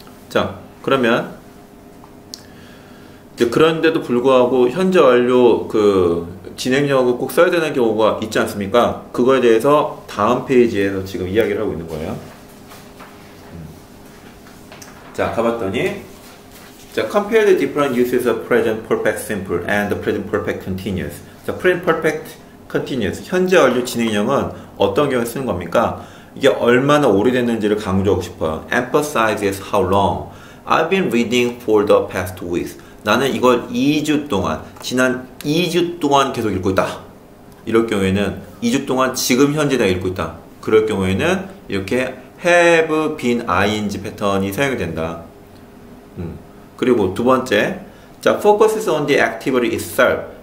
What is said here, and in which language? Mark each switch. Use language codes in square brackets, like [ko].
[ko] 자 그러면 이제 그런데도 불구하고 현재 완료 그 진행형을 꼭 써야 되는 경우가 있지 않습니까? 그거에 대해서 다음 페이지에서 지금 이야기를 하고 있는 거예요. 자, 가봤더니 자, [en] compare the different uses of present perfect simple and the present perfect continuous. [ko] 자, present perfect continuous 현재 완료 진행형은 어떤 경우에 쓰는 겁니까? 이게 얼마나 오래됐는지를 강조하고 싶어요. [en] Emphasizes how long I've been reading for the past weeks. [ko] 나는 이걸 2주 동안 지난 2주 동안 계속 읽고 있다. 이럴 경우에는 2주 동안 지금 현재 내가 읽고 있다. 그럴 경우에는 이렇게 have been ing 패턴이 사용이 된다. 그리고 두 번째, 자 [en] focuses on the activity itself.